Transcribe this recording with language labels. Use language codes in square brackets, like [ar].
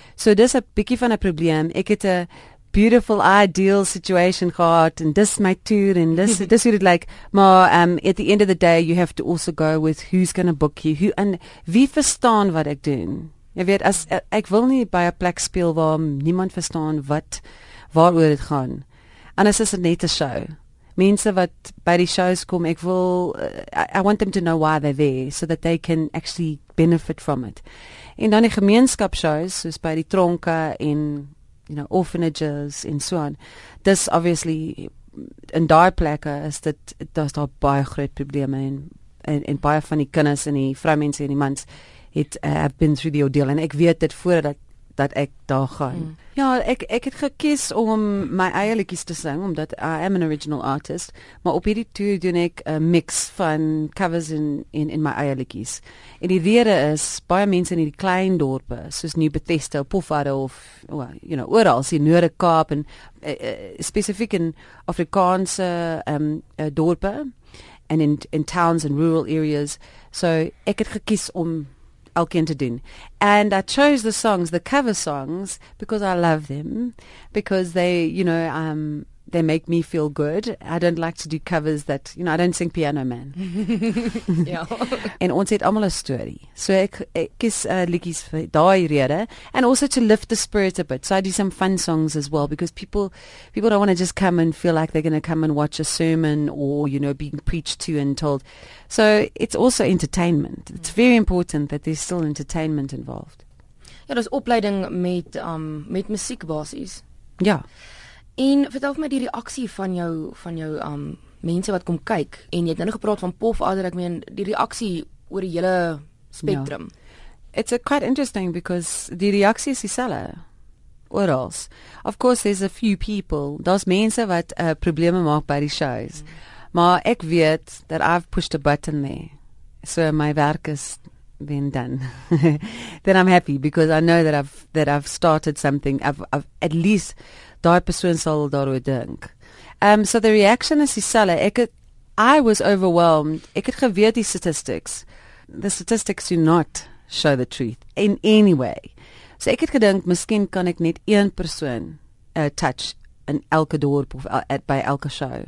[af] So dis 'n bietjie van 'n probleem. Ek het 'n [en] beautiful ideal situation [af] gehad en dis my tour en dis hoe dit lyk. [en] Maar at the end of the day you have to also go with who's gonna book you. [af] Wie verstaan wat ek doen? Jy weet, as ek wil nie by 'n plek speel waar niemand verstaan waaroor dit gaan. Anders is dit net 'n show. Mense wat by die shows kom, ek wil, [en] I want them to know why they're there, so that they can actually benefit from it. [af] En dan die gemeenskap shows, soos by die tronke en, you know, orphanages en so aan. Dis obviously, in daai plekke is dit, daar is daar baie groot probleme en baie van die kinders en die vrouwmense en die mans het [en] have been through the ordeal [af] en ek weet dit voordat ek daar gaan. Ja, ek het gekies om my eie liedjies te sing, omdat [en] I am an original artist, [af] maar op hierdie tour doen ek 'n mix van covers in my eie liedjies. En die rede is, baie mense in hierdie klein dorpe, soos New Bethesda, Pofadder, of, well, you know, oral, sien Noorde Kaap, en specific in Afrikaanse dorpe, en [en] in towns and rural areas. [af] So, ek het gekies om elkeen te doen. [en] And I chose the songs, the cover songs, because I love them, because they, you know, they make me feel good. I don't like to do covers that, you know, I don't sing Piano Man. [af] En ons het allemaal 'n story. So ek kies liedjies vir daai rede, [en] and also to lift the spirit a bit. So I do some fun songs as well, because people don't want to just come and feel like they're going to come and watch a sermon or, you know, being preached to and told. So it's also entertainment. It's very important that there's still entertainment involved. [af] Ja, dis opleiding met musiek basies. Ja. En vertel my die reaksie van jou mense wat kom kyk. En jy het nou gepraat van Pofadder, ek meen die reaksie oor die hele spectrum. [en] Yeah. It's quite interesting because [af] die reaksie is dieselfde oral. [en] Of course there's a few people, [af] daar's mense wat probleme maak by die shows. Maar ek weet [en] that I've pushed a button there. [af] So my werk is [en] been done, then I'm happy because I know that I've started something. I've at least [af] daai persoon sal daaroor dink. [en] So the reaction is dieselfde. I was overwhelmed. [af] Ek het geweet die statistics. [en] The statistics do not show the truth in any way. [af] So ek het gedink, miskien kan ek net een persoon touch in elke dorp of by elke show.